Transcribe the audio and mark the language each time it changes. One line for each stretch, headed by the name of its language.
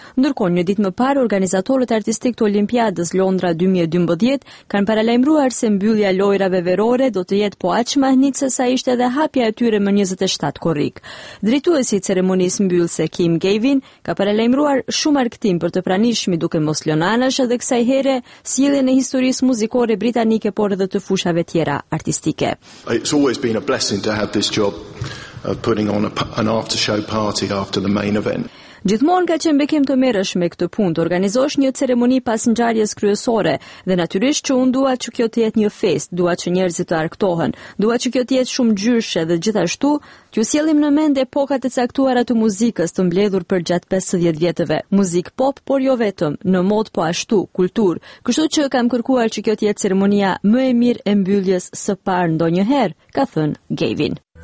Albanian: Ndërkohë, një ditë më parë organizatorët artistik të Olimpiadës Londra 2012 kanë paralajmëruar se mbyllja lojrave verore do të jetë po aq mahnitse sa ishte edhe hapja e tyre më 27 korrik. Drejtuesi i ceremonisë mbyllëse Kim Gavin ka paralajmëruar shumë argëtim për të pranishmi duke mos lënë anash edhe kësaj here sjelljen e historisë muzikore britanike por edhe të fushave tjera artistike.
English: It's always been a blessing to have this job of putting on an after show party after the main event.
Albanian: Gjithmonë ka qenë bekim të merresh me këtë punë, organizosh një ceremoni pas ngjarjes kryesore dhe natyrisht që unë dua që kjo të jetë një fest, dua që njerëzit të argëtohen, dua që kjo të jetë shumë gjyshe dhe gjithashtu që sjellim në mend epokat e caktuara të muzikës të mbledhur për gjatë 50 vjetëve, muzikë pop, por jo vetëm, në mod po ashtu, kulturë, kështu që kam kërkuar që kjo të jetë ceremonia më e mirë e mbylljes së parë ndonjëherë, ka thënë Gavin.